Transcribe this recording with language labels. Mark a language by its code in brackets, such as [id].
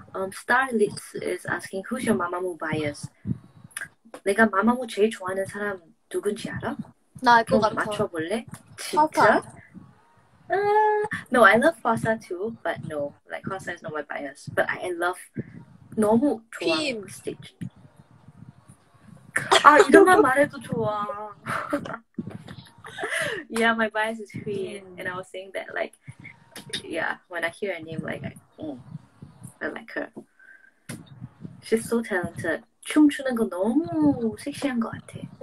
[en] Star Lips is asking who's your Mamamoo bias. [ko] 내가 마마무 제일 좋아하는 사람 누군지 알아? 나 알 것 같아. 맞춰볼래? 진짜? [en] No, I love Hwasa too, but no. Like, Hwasa is not my bias. But I love... [ko] 너무 좋아. [en] Kim. [ko] 아, 이름만 말해도 좋아. [en] Yeah, my bias is Kim. And I was saying that, like, yeah, when I hear her name, like, I like her. She's so talented. [ko] 춤추는 거 너무 섹시한 것 같아.